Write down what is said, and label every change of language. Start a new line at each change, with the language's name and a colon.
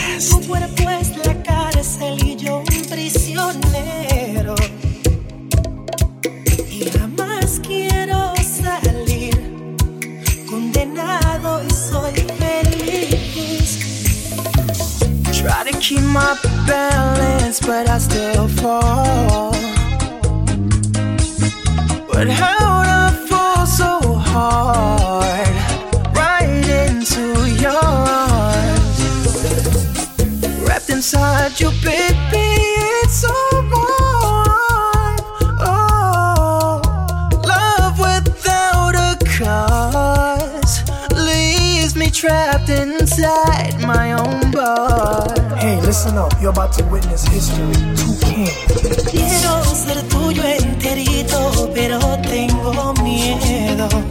Spanish: Tú fueras pues la cárcel y yo un prisionero, y jamás quiero salir, condenado y soy feliz.
English: Try to keep my balance, but I still fall. But how to fall so hard? Right into your arms, wrapped inside you, baby. It's so warm. Oh, love without a cause leaves me trapped inside my own bar. Hey, listen up, you're about to witness history. Two kings.
Spanish: Quiero ser tuyo enterito, pero tengo miedo.